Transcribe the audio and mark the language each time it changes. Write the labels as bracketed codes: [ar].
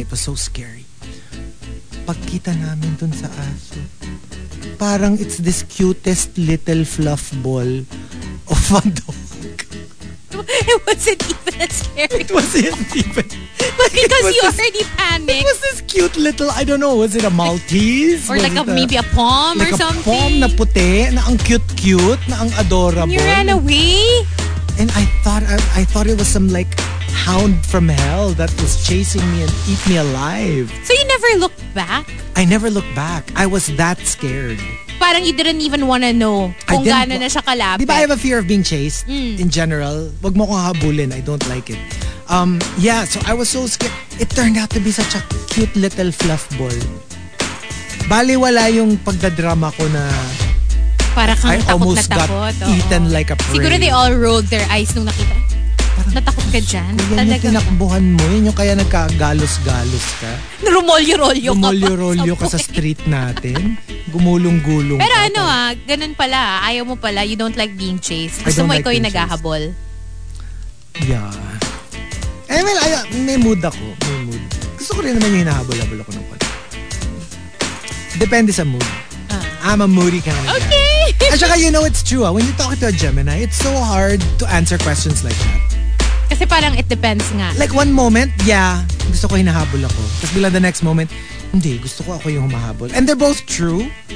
[en] It was so scary. [tl] Pagkita namin dun sa aso, parang [en] it's this cutest little fluff ball of a dog. It wasn't even scary. It wasn't even. But because you already panicked. It was this cute little, I don't know, was it a Maltese? Or was like maybe a palm, like or a something? [tl] A palm na puti, na ang cute-cute, na ang adorable. [en] You ran away? And I thought it was some like hound from hell that was chasing me and eat me alive. So you never looked back? I never looked back. I was that scared. Parang you didn't even want to know [tl] kung gaano na siya kalapit. Di ba [en] I have a fear of being chased in general? [tl] Wag mo kong habulin. [en] I don't like it. Yeah, so I was so scared. It turned out to be such a cute little fluff ball. [tl] Bali wala yung pagdadrama ko na para kang [en] I almost [tl] na takot, [en] got eaten like a prey. [tl] Siguro [en] they all rolled their eyes [tl] nung nakita. Parang, natakot ka dyan? Kaya talaga. Yung tinakbuhan mo, yun yung kaya nagkagalos-galos ka. Rumolyo-rolyo ka sa street natin. Gumulong-gulong pero ka. Pero ano ganun pala, ayaw mo pala, [en] you don't like being chased. [tl] Gusto mo ikaw yung nagahabol. [en] Yeah. Well, may mood ako. [tl] Gusto ko rin naman yung hinahabol-habol ako ng pala. Depende sa mood. [en] I'm a moody kind of guy. Okay! At saka, you know, it's true. When you talk to a Gemini, it's so hard to answer questions like that. [tl] Kasi parang [en] it depends [tl] nga. [en] Like one moment, yeah, [tl] gusto ko hinahabol ako. Tapos bilang [en] the next moment, [tl] hindi, gusto ko ako yung humahabol. [en] And they're both true.